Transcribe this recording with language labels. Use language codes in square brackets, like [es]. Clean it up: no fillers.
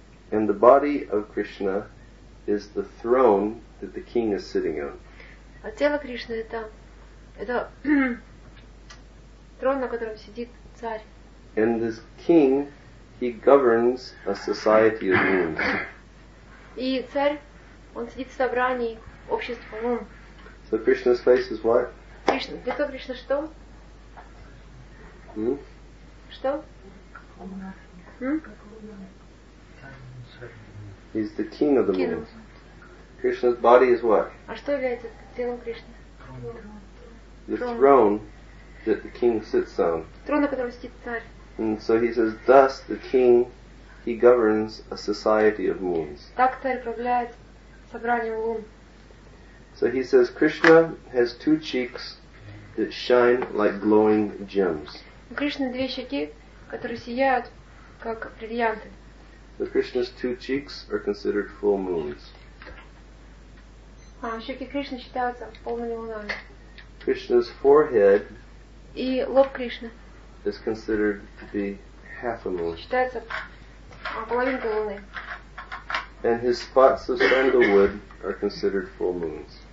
[en] And the body of Krishna is the throne that the king is sitting on. [ru] А тело Кришны — это трон, на котором сидит царь. [en] And this king, he governs a society of moons. [ru] И царь, он сидит в собрании общества лун. [en] So Krishna's face is what? [ru] Кришна. Лицо Кришны что? Что? [en] He's the king of the moon. Krishna's body is what? [ru] А что является телом Кришны? [en] The throne that the king sits on. [ru] Трон, на котором сидит царь. [en] And so he says, thus the king, he governs a society of moons. [ru] Так царь управляет собранием лун. [en] So he says, Krishna has two cheeks that shine like glowing gems. [ru] У Кришны две щеки, которые сияют как бриллианты. [en] So Krishna's two cheeks are considered full moons. [ru] Щеки Кришны считаются полными лунами. [en] Krishna's forehead, [ru] и лоб Кришны, [en] is considered to be half a moon. [ru] Считается половинкой луны. [en] And his spots of sandalwood are considered full moons.